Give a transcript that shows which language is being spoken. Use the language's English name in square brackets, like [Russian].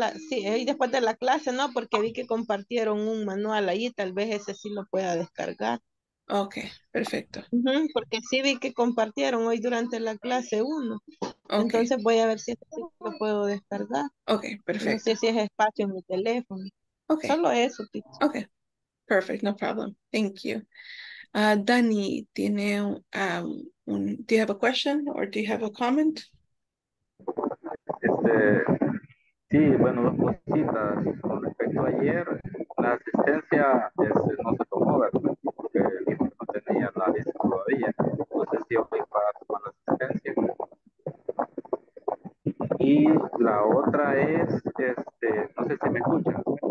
[Spanish] Hoy después de la clase, no, porque vi que compartieron un manual ahí, tal vez ese sí lo pueda descargar. Ok, perfecto. Porque sí vi que compartieron hoy durante la clase uno. Okay. Entonces voy a ver si ese sí lo puedo descargar. Ok, perfecto. No sé si es espacio en mi teléfono. Okay. Solo eso, Pichu. [English] Ok. Perfect, no problem. Thank you. Dani, do you have a question or do you have a comment? [Spanish] Sí, bueno, dos cositas. Con respecto a ayer, la asistencia no se tomó, ¿verdad? Porque el hijo no tenía la lista todavía. No sé si hoy va a tomar la asistencia. Y la otra es, no sé si me escuchan.